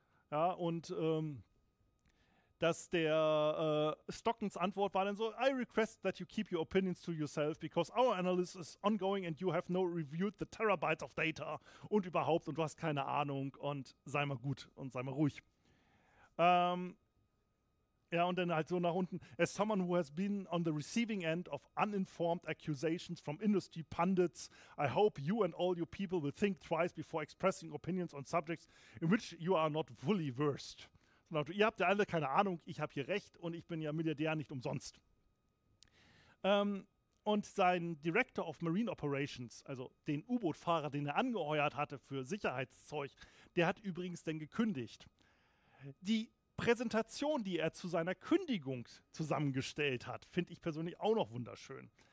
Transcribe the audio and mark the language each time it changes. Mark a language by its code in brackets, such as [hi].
[de] Ja, und dass der Stockens Antwort war dann so, [en] I request that you keep your opinions to yourself because our analysis is ongoing and you have no reviewed the terabytes of data [de] und überhaupt und du hast keine Ahnung und sei mal gut und sei mal ruhig. Ja, und dann halt so nach unten, [en] as someone who has been on the receiving end of uninformed accusations from industry pundits, I hope you and all your people will think twice before expressing opinions on subjects in which you are not fully versed. [de] Ihr habt ja alle keine Ahnung, ich habe hier recht und ich bin ja Milliardär nicht umsonst. Und sein Director of Marine Operations, also den U-Boot-Fahrer, den er angeheuert hatte für Sicherheitszeug, der hat übrigens dann gekündigt. Die Präsentation, die er zu seiner Kündigung zusammengestellt hat, finde ich persönlich auch noch wunderschön.